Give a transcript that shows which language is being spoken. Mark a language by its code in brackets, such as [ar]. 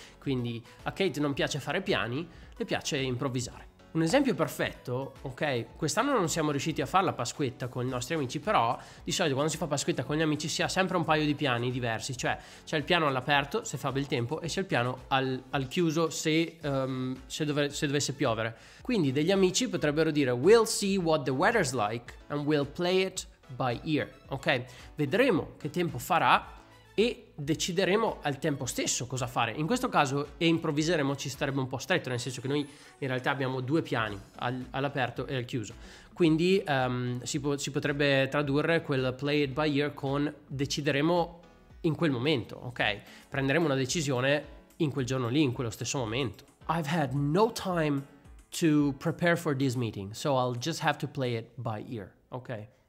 [it] Quindi a Kate non piace fare piani, le piace improvvisare. Un esempio perfetto, ok? Quest'anno non siamo riusciti a fare la Pasquetta con i nostri amici, però di solito quando si fa Pasquetta con gli amici si ha sempre un paio di piani diversi, cioè c'è il piano all'aperto se fa bel tempo e c'è il piano al chiuso se dovesse piovere. Quindi degli amici potrebbero dire: [en] We'll see what the weather's like and we'll play it by ear, ok? [it] Vedremo che tempo farà e decideremo al tempo stesso cosa fare. In questo caso, e improvviseremo, ci starebbe un po' stretto, nel senso che noi in realtà abbiamo due piani, all'aperto e al chiuso. Quindi si potrebbe tradurre quel [en] play it by ear [it] con decideremo in quel momento, ok? Prenderemo una decisione in quel giorno lì, in quello stesso momento. [en] I've had no time to prepare for this meeting, so I'll just have to play it by ear, ok?